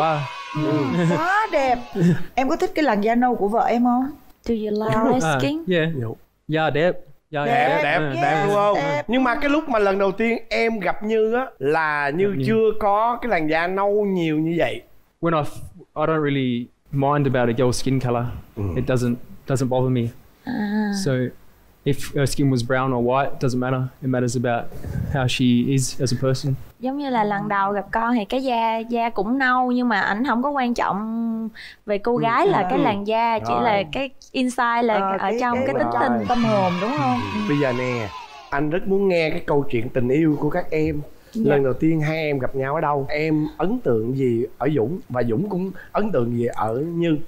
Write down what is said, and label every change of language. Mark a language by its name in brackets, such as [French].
[Vietnamese] Quá. Quá đẹp. Em có thích cái làn da nâu của vợ em không? [English] Do you like skin? [Vietnamese] Yeah. Da đẹp. Da đẹp. Đẹp, yeah. Đẹp đúng không? Đẹp. Nhưng mà cái lúc mà lần đầu tiên em gặp Như á là Như chưa có cái làn da nâu nhiều như vậy. [English] When I don't really mind about a girl's skin color. It doesn't bother me. So if her skin was brown or white, doesn't matter. It matters about how she is as a person. [Vietnamese] Giống như là lần đầu gặp con thì cái da cũng nâu nhưng mà ảnh không có quan trọng về cô gái là cái làn da, chỉ là cái inside là ở trong cái tính tình tâm hồn đúng không? Bây giờ nè, anh rất muốn nghe cái câu chuyện tình yêu của các em. Dạ. Lần đầu tiên hai em gặp nhau ở đâu? Em ấn tượng gì ở Dũng và Dũng cũng ấn tượng gì ở Như?